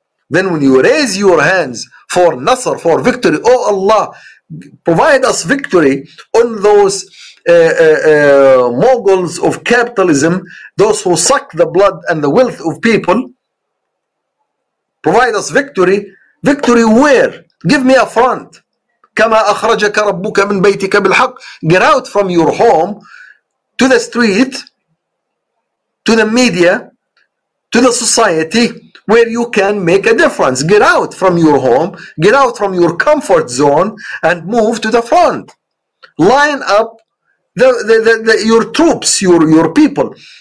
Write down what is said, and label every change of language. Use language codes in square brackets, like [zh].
[en] Then when you raise your hands for nasr, for victory, oh Allah, provide us victory on those moguls of capitalism, those who suck the blood and the wealth of people, provide us victory. Victory where? Give me a front. [ar] كما أخرجك ربك من بيتك بالحق. [en] Get out from your home to the street, to the media, to the society where you can make a difference. Get out from your home, get out from your comfort zone, and move to the front. Line up your troops, your people.